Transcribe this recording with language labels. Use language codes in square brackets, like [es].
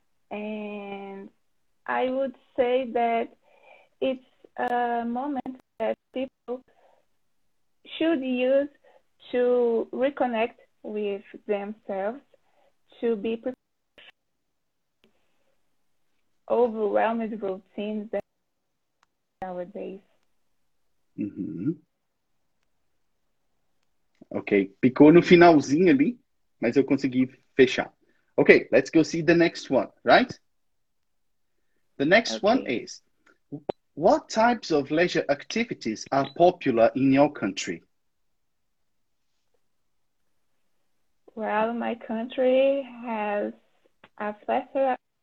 [en] And I would say that it's a moment that people should use to reconnect with themselves, to be prepared for overwhelming routines that nowadays. Uhum. [pt] Ok, picou no finalzinho ali, mas eu consegui fechar. [en] Ok, let's go see the next one, right? The next one is, what types of leisure activities are popular in your country? Well, my country has a plethora.